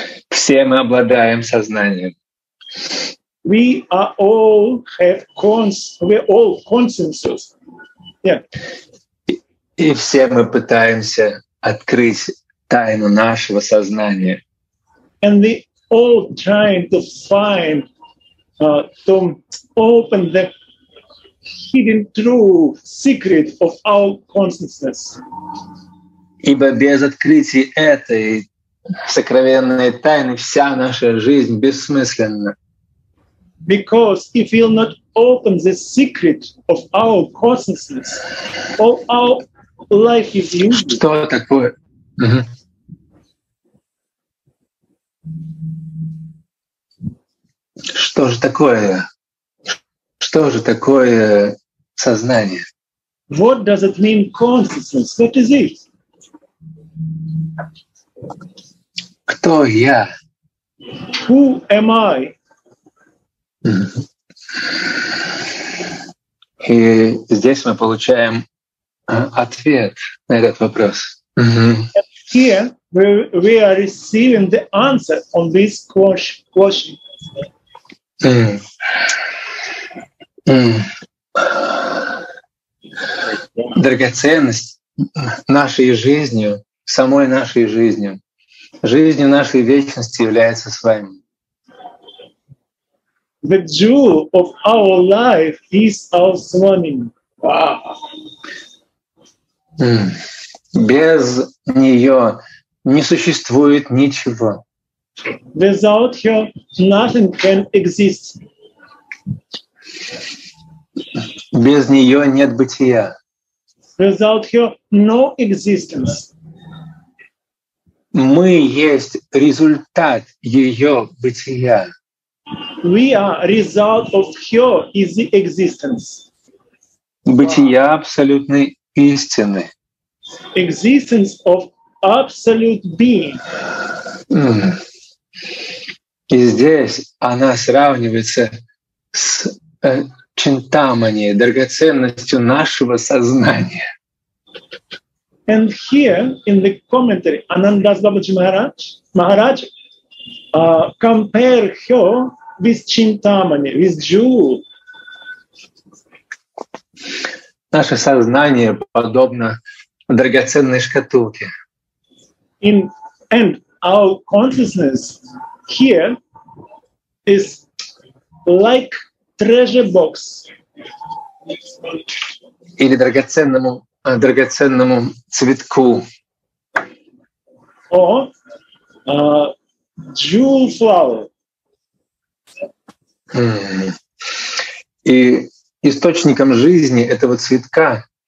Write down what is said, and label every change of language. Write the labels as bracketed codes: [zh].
[ru] Все мы обладаем сознанием. [en] We are all have consciousness. [ru] И все мы пытаемся открыть тайну нашего сознания. [en] And we all trying to find to open the hidden true secret of our consciousness. [ru] Ибо без открытия этой сокровенной тайны вся наша жизнь бессмысленна. [en] Because if we'll not open the secret of our consciousness, all our life is useless. [ru] Что такое? Что же такое? Что же такое сознание? [en] What does it mean consciousness? What is it? [ru] Кто я? [en] Who am I? [ru] И здесь мы получаем ответ на этот вопрос. [en] Here we are receiving the answer on this question. [ru] Драгоценность нашей жизнью, самой нашей жизнью, жизнью нашей вечности является с вами. [en] The jewel of our life is our swami. Wow. [ru] Без нее не существует ничего. [en] Without her, nothing can exist. [ru] Без нее нет бытия. [en] Without her, no existence. [ru] Мы есть результат ее бытия. [en] We are result of her is the existence. [ru] Бытия абсолютной истины. [en] Existence of absolute being. [ru] И здесь она сравнивается с чинтамани, драгоценностью нашего сознания. [en] And here in the commentary, Anandas Babaji Maharaj compare her with chintamani, with jewel. [ru] Наше сознание подобно драгоценной шкатулке. [en] In and our consciousness here is like treasure box. [ru] Или драгоценному цветку. [en] Or jewel flower. [ru] И источником жизни этого цветка